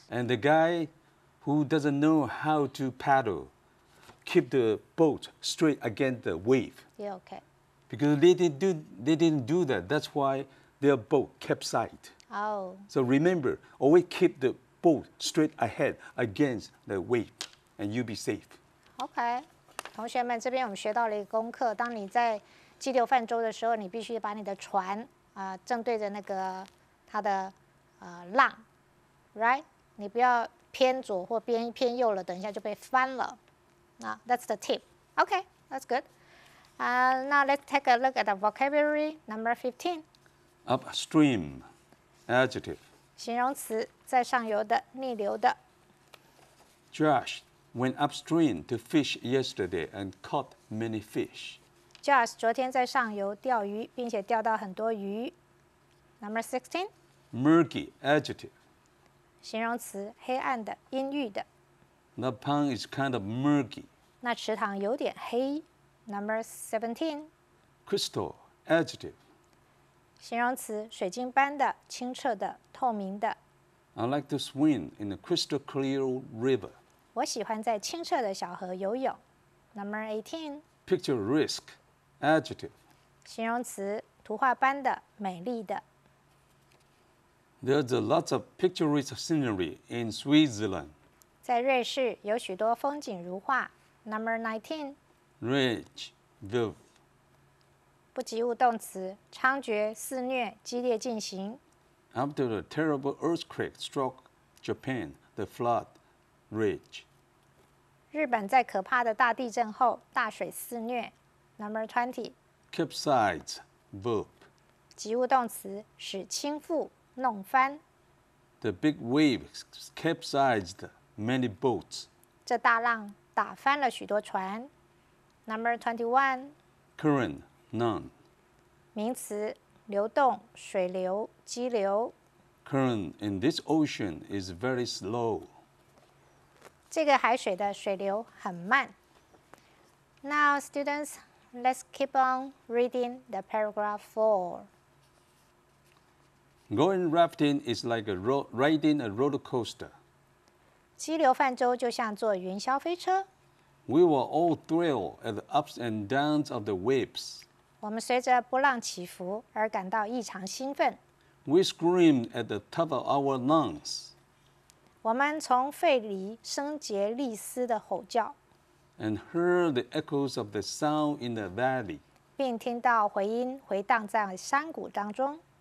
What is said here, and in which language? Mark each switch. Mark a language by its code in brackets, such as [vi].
[en] And the guy who doesn't know how to paddle, keep the boat straight against the wave. Yeah. Okay. Because they didn't do that. That's why their boat capsized. Oh. So remember, always keep the. Boat straight ahead against the wave, and you'll be safe. Okay, [zh] 同学们，这边我们学到了一个功课。当你在激流泛舟的时候，你必须把你的船啊、正对着那个它的浪 ， [en] right？ [zh] 你不要偏左或偏右了，等一下就被翻了。那、 [en] that's the tip. Okay, that's good. Now let's take a look at the vocabulary number 15. Upstream, adjective. [zh] 形容词，在上游的，逆流的。 [en] Josh went upstream to fish yesterday and caught many fish. [zh] Josh 昨天在上游钓鱼，并且钓到很多鱼。 [en] Number 16. Murky, adjective. [zh] 形容词，黑暗的，阴郁的。 [en] The pond is kind of murky. [zh] 那池塘有点黑。 [en] Number 17. Crystal, adjective. [zh] 形容词，水晶般的，清澈的，透明的。 [en] I like to swim in a crystal clear river. [zh] 我喜欢在清澈的小河游泳。 [en] Number 18. Picturesque, adjective. [zh] 形容词，图画般的，美丽的。 [en] There's a lot of picturesque scenery in Switzerland. [zh] 在瑞士有许多风景如画。 [en] Number 19. Rich, view. [zh] 不及物动词，猖獗、肆虐、激烈进行。 [en] After a terrible earthquake struck Japan, the flood raged. [zh] 日本在可怕的大地震后，大水肆虐。 [en] Number 20. Capsize, verb. [zh] 及物动词，使倾覆、弄翻。 [en] The big wave capsized many boats. [zh] 这大浪打翻了许多船。 [en] Number 21. Current. None. [zh] 名词，流动，水流，激流。 [en] Current in this ocean is very slow. [zh] 这个海水的水流很慢。 [en] Now, students, let's keep on reading the paragraph 4. Going rafting is like riding a roller coaster. [zh] 激流泛舟就像坐云霄飞车。 [en] We were all thrilled at the ups and downs of the waves. [zh] 我们随着波浪起伏而感到异常兴奋。 [en] We screamed at the top of our lungs. [zh] 我们从肺里声竭力嘶的吼叫。 [en] And heard the echoes of the sound in the valley. [zh] 并听到回音回荡在山谷当中。